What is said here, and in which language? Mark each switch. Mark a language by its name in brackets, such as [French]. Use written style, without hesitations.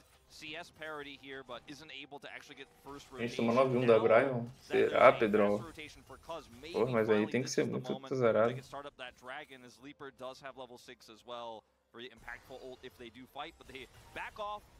[English] CS parity here, but isn't able to actually get first [Portuguese] rotation. A gente toma 9-1 da Bryon? Será, Pedro? Pô, mas aí tem que ser muito azarado. [English] Start up that dragon as Leaper does have level 6 as well. Very impactful ult if they do fight, but they back off.